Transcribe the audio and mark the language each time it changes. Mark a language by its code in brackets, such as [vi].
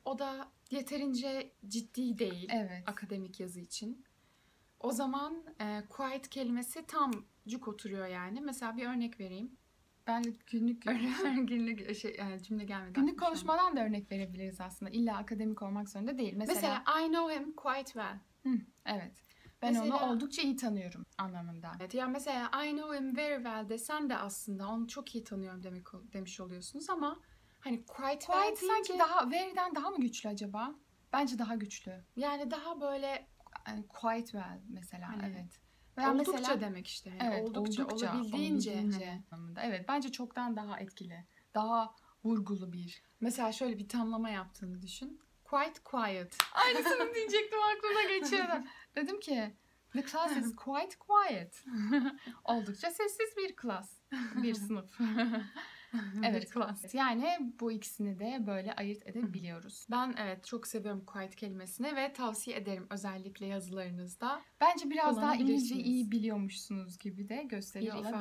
[tr] O da yeterince ciddi değil evet. akademik yazı için. O zaman quiet kelimesi tam cuk oturuyor yani. Mesela bir örnek vereyim. Ben günlük şey, yani cümle gelmedi. Günlük konuşmadan da örnek verebiliriz aslında. İlla akademik olmak zorunda değil. [en] Mesela I know him quite well. [tr] Evet. Ben mesela, onu oldukça iyi tanıyorum anlamında. Evet. Ya mesela [en] I know him very well [tr] desen de aslında onu çok iyi tanıyorum demiş oluyorsunuz ama hani quite well deyince... Sanki daha very'den daha mı güçlü acaba? Bence daha güçlü. Yani daha böyle quite well mesela hani. Evet. Veya oldukça mesela, demek işte. Yani evet, oldukça olabildiğince. Hani, evet, bence çoktan daha etkili. Daha vurgulu bir. Mesela şöyle bir tamlama yaptığını düşün. [en] Quite quiet. [tr] Aynısını diyecektim aklıma geçiyordu. Dedim ki, [en] the class is quite quiet. [tr] Oldukça sessiz bir class. Bir sınıf. Evet, class. Yani bu ikisini de böyle ayırt edebiliyoruz. Ben evet çok seviyorum quiet kelimesini ve tavsiye ederim özellikle yazılarınızda. Bence biraz daha İngilizce iyi biliyormuşsunuz gibi de gösteriyor olabilir.